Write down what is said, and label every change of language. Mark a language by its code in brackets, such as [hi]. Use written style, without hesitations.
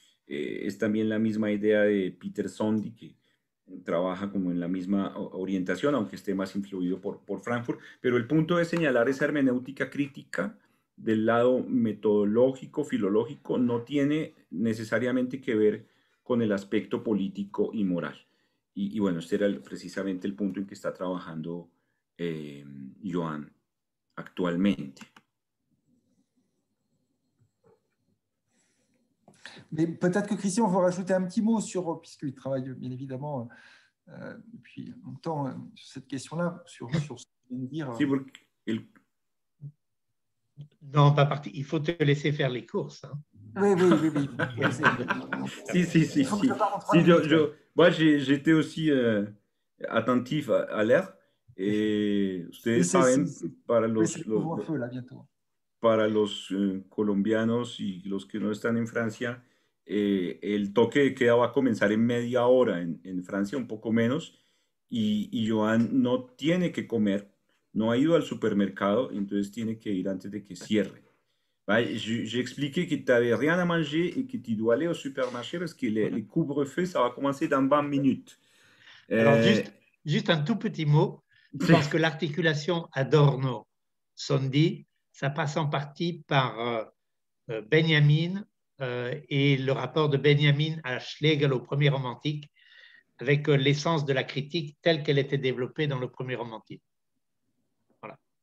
[es] Es también la misma idea de Peter Zondi, que trabaja como en la misma orientación, aunque esté más influido por Frankfurt, pero el punto es señalar esa hermenéutica crítica del lado metodológico, filológico, no tiene necesariamente que ver con el aspecto político y moral. Y bueno, este era precisamente el punto en que está trabajando Joan actualmente. [fr] Mais peut-être que Christian va rajouter un petit mot sur, puisqu'il travaille bien évidemment depuis longtemps sur cette question-là, sur ce qu'il vient de dire. Si vous... Il... Non, pas parti. Il faut te laisser faire les courses. Hein. Oui, oui, oui, oui. Si. Moi, j'étais aussi attentif à l'air. Et c'est quand même [es] para los [fr] feu, là, bientôt. [es] Para los colombianos y los que no están en Francia, el toque de queda va a comenzar en media hora en Francia, un poco menos, y Joan no tiene que comer, no ha ido al supermercado, entonces tiene que ir antes de que cierre. ¿Vale? [fr] J'ai expliqué que tu n'avais rien à manger y que tu dois aller au supermarché parce que le couvre-feu, ça va commencer dans 20 minutes. Juste un tout petit mot, parce que l'articulation Adorno Sondi, ça passe en partie par Benjamin et le rapport de Benjamin à Schlegel au premier romantique, avec l'essence de la critique telle qu'elle était développée dans le premier romantique. Voilà.